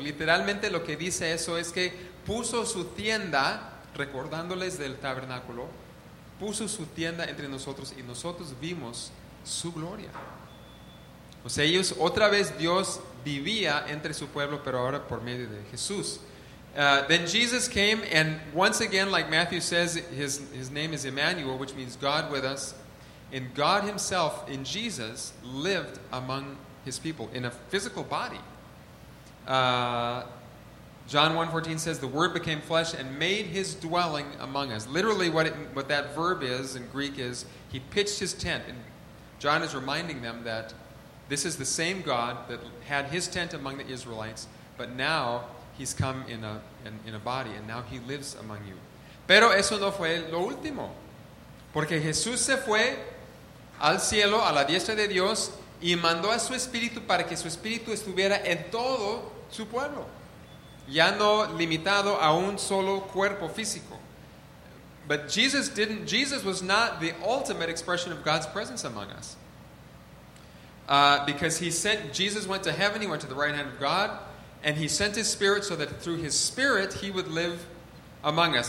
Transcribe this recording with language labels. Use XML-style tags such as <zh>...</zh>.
<es>Literalmente lo que dice eso es que puso su tienda, recordándoles del tabernáculo, puso su tienda entre nosotros y nosotros vimos su gloria. O sea, ellos otra vez Dios vivía entre su pueblo, pero ahora por medio de Jesús.</es> <en>Then Jesus came, and once again, like Matthew says, his name is Emmanuel, which means God with us. And God Himself, in Jesus, lived among His people in a physical body. John 1:14 says, the Word became flesh and made His dwelling among us. Literally, what that verb is in Greek is, He pitched His tent. And John is reminding them that this is the same God that had His tent among the Israelites, but now He's come in a body, and now He lives among you.</en> <es>Pero eso no fue lo último. Porque Jesús se fue al cielo, a la diestra de Dios, y mandó a su Espíritu para que su Espíritu estuviera en todo su pueblo. Ya no limitado a un solo cuerpo físico.</es> <en>But Jesus was not the ultimate expression of God's presence among us. Because Jesus went to heaven, He went to the right hand of God, and He sent His Spirit so that through His Spirit He would live among us.</en>